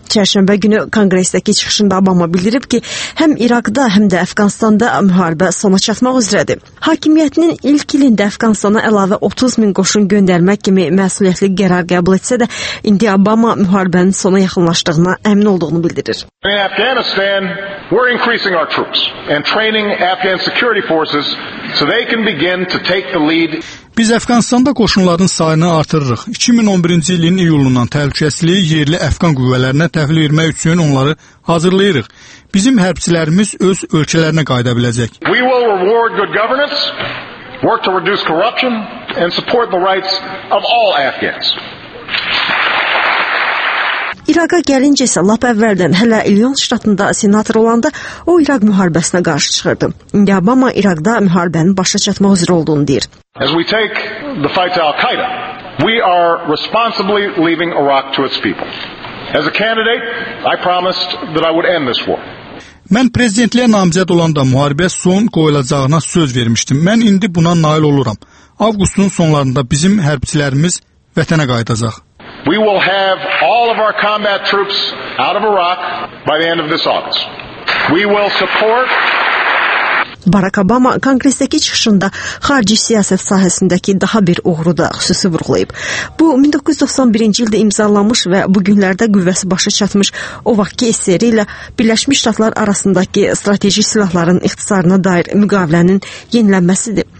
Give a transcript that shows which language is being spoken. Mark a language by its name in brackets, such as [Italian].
[Azerbaijani] Çərşənbə günü Konqresdəki çıxışında Obama bildirib ki, həm İraqda, həm də Əfqanistanda müharibə sona çatmaq üzrədir. Hakimiyyətinin ilk ilində Əfqanistana əlavə 30 min qoşun göndərmək kimi məsuliyyətli qərar qəbul etsə də, indi Obama müharibənin sona yaxınlaşdığına əmin olduğunu bildirir. [English] In Afghanistan, we're increasing our troops and training Afghan security forces so they can begin to take the lead. [Azerbaijani] Biz Əfqanistanda qoşunların sayını artırırıq. 2011-ci ilin iyulundan təhlükəsizliyi yerli Əfqan qüvvələrinə təhvil vermək üçün onları hazırlayırıq. Bizim hərbçilərimiz öz ölkələrinə qayıda biləcək. [English] We will reward good governance, work to reduce corruption and support the rights of all Afghans. [Azerbaijani] İraqa gəlincə isə lap əvvəldən hələ İllinois ştatında senator olanda o İraq müharibəsinə qarşı çıxırdı. İndi Obama İraqda müharibənin başa çatmaq üzrə olduğunu deyir. [English] As we take the fight to Al-Qaeda, we are responsibly leaving Iraq to its people. As a candidate, I promised that I would end this war. [Azerbaijani] Mən prezidentliyə namizəd olanda müharibə son qoyulacağına söz vermişdim. Mən indi buna nail oluram. Avqustun sonlarında bizim hərbçilərimiz vətənə qayıdacaq. [English] We will have all of our combat troops out of Iraq by the end of this August. We will support. [Azerbaijani] Barack Obama Konqresdəki çıxışında xarici siyasət sahəsindəki daha bir uğuru da xüsusi vurğulayıb. Bu 1991-ci ildə imzalanmış və bu günlərdə qüvvəsi başa çatmış o vaxtki SSR ilə Birləşmiş Ştatlar arasındakı strateji silahların ixtisarına dair müqavilənin yenilənməsidir.